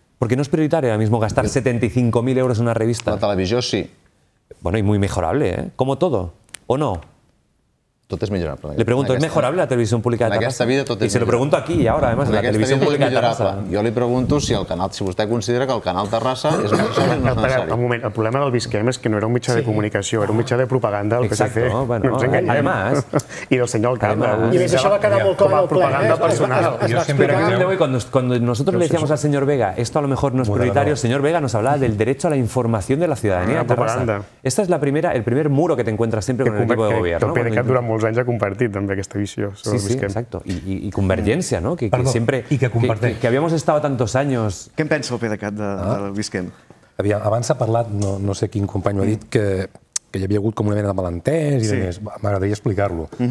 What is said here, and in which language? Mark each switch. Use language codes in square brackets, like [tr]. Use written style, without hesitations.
[es] Porque no es prioritario ahora mismo gastar 75.000 euros en una revista. La televisión sí. Bueno, y muy mejorable, ¿eh? Como todo, ¿o no? Todo es mejorable. Le pregunto, ¿es mejorable la televisión pública de Terrassa? [ca] Vida, tot [es] y se lo pregunto aquí y ahora, además, la televisión pública de Terrassa. Yo le pregunto si el canal, si usted considera que el canal Terrassa es necesario. No, espera, [ca] un moment, el problema del Visquem es que no era un mitjà de comunicació, era un mitjà de propaganda, el PSC. [es] Exacto, bueno, no además... [ca] I del senyor Alcalde. I més, això va quedar molt com a propaganda personal. [es] Cuando nosotros le decíamos al señor Vega, esto a lo mejor no es prioritario, el señor Vega nos hablaba del derecho a la información de la ciudadanía de Terrassa. Esta es el primer muro que te encuentras siempre con el equipo de gobierno. [ca] Molts anys ha compartit també aquesta visió sobre el Visquem. Sí, exacte. I convergència, no? Perdó, sempre... I que comparteix. Que havíem estat tantos anys... Què en pensa el PDeCAT del Visquem? Aviam, abans ha parlat, no sé quin company ho ha dit, que hi havia hagut com una mena de malentès i demés. M'agradaria explicar-lo.